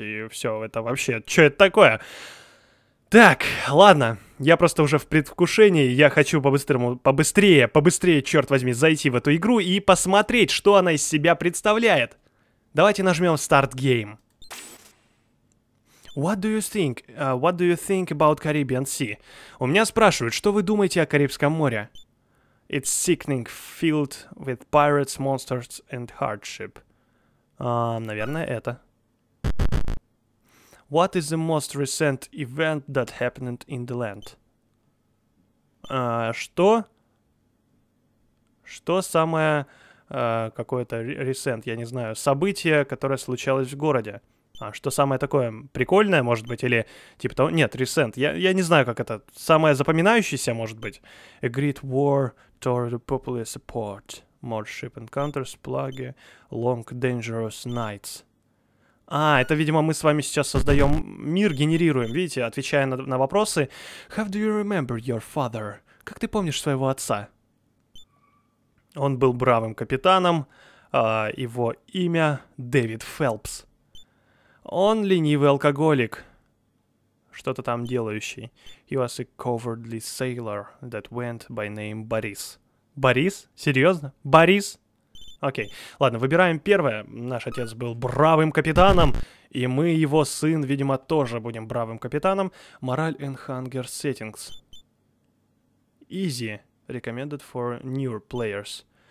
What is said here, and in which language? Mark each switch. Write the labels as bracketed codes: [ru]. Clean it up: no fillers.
[ru] И все, это вообще, что это такое? Так, ладно, я просто уже в предвкушении, я хочу побыстрее, черт возьми, зайти в эту игру и посмотреть, что она из себя представляет. Давайте нажмем [en] Start Game. What do you think about Caribbean Sea? [ru] У меня спрашивают, что вы думаете о Карибском море? [en] It's sickening filled with pirates, monsters and hardship. [ru] Наверное, это. [en] What is the most recent event that happened in the land? [ru] Что? Что самое какое-то recent, я не знаю, событие, которое случалось в городе? Что самое такое прикольное, может быть, или типа того? Нет, recent, я не знаю, как это. Самое запоминающееся, может быть? [en] A great war tore the popular support. More ship encounters, plague, long dangerous nights. [ru] А, это, видимо, мы с вами сейчас создаем мир, генерируем, видите, отвечая на вопросы. [en] How do you remember your father? [ru] Как ты помнишь своего отца? Он был бравым капитаном, его имя Дэвид Фелпс. Он ленивый алкоголик, что-то там делающий. [en] He was a cowardly sailor that went by name Борис. [ru] Борис? Серьезно? Борис? Окей, ладно, выбираем первое. Наш отец был бравым капитаном, и мы, его сын, видимо, тоже будем бравым капитаном. [en] Мораль and hunger settings. Easy. Recommended for newer players.